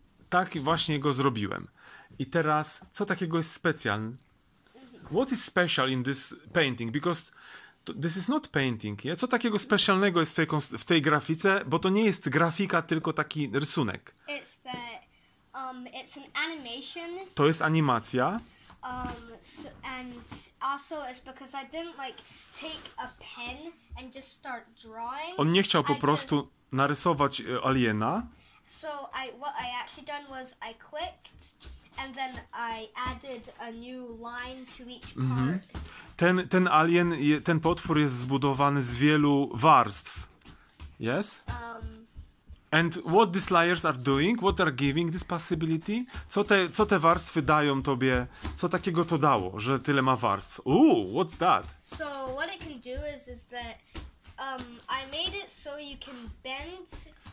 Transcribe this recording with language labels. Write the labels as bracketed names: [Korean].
[Polish] Tak właśnie go zrobiłem. I teraz, co takiego jest specjalne? [English] What is special in this painting? Because this is not painting. Yeah? [Polish] Co takiego specjalnego jest w tej grafice? Bo to nie jest grafika, tylko taki rysunek. [English] It's an animation. [Polish] To jest animacja. [English] And also it's because I didn't like take a pen and just start drawing. [Polish] On nie chciał po prostu narysować aliena. [English] So what I actually done was I clicked and then I added a new line to each part. Mm-hmm. [Polish] Ten alien, ten potwór jest zbudowany z wielu warstw. [English] Yes? And what these layers are doing? What are giving this possibility? [Polish] Co te warstwy dają tobie? Co takiego to dało, że tyle ma warstw? [English] Ooh, what's that? So what it can do is that I made it so you can bend.